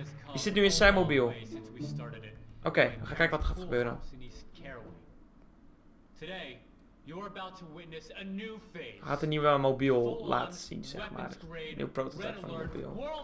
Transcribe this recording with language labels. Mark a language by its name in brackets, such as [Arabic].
[Dutch] Die zit nu in zijn mobiel. Oké, we gaan kijken wat er gaat gebeuren. [English] Today, you're about to witness a new phase. [Dutch] Hij gaat een nieuwe mobiel laten zien, zeg maar. Een nieuw prototype van de mobiel.